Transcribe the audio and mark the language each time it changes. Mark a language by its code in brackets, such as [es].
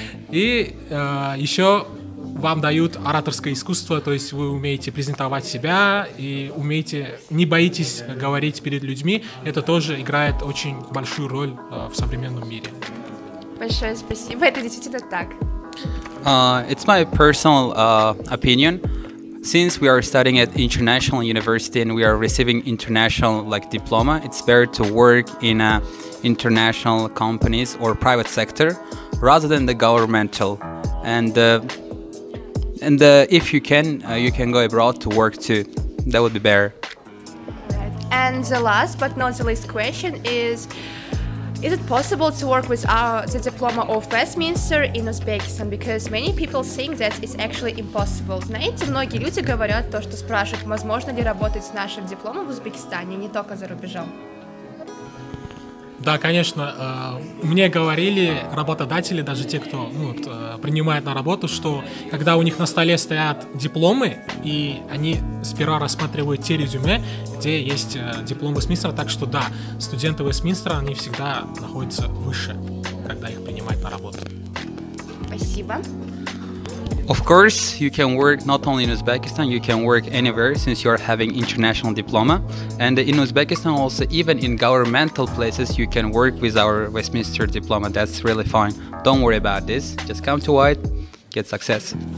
[ru] И еще вам дают ораторское искусство, то есть вы умеете презентовать себя и умеете, не боитесь говорить перед людьми. Это тоже играет очень большую роль в современном мире. Большое спасибо, это действительно так. [en] It's my personal opinion. Since we are studying at international university and we are receiving international like diploma, it's better to work in international companies or private sector rather than the governmental. And if you can, you can go abroad to work too. That would be better. And the last but not the least question is, is it possible to work with the diploma of Westminster in Uzbekistan? Because many people think that it's actually impossible. [ru] Знаете, многие люди говорят то, что спрашивают, возможно ли работать с нашим дипломом в Узбекистане, не только за рубежом. Да, конечно. Мне говорили работодатели, даже те, кто принимает на работу, что когда у них на столе стоят дипломы, и они сперва рассматривают те резюме, где есть диплом Вестминстера, так что да, студенты Вестминстера, они всегда находятся выше, когда их принимают на работу. Спасибо. [en] Of course, you can work not only in Uzbekistan, you can work anywhere since you are having international diploma. And in Uzbekistan also, even in governmental places, you can work with our Westminster diploma. That's really fine. Don't worry about this. Just come to White, get success.